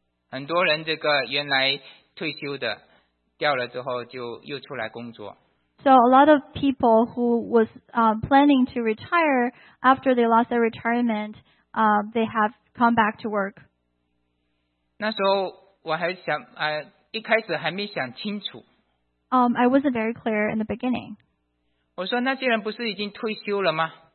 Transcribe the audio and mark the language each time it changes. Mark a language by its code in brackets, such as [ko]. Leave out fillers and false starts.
[zh] 很多人这个原来退休的掉了之后就又出来工作。 [en] So a lot of people who was planning to retire after they lost their retirement, they have come back to work. [zh] 那时候我还想，一开始还没想清楚。 [en] I wasn't very clear in the beginning. [zh] 我说那些人不是已经退休了吗？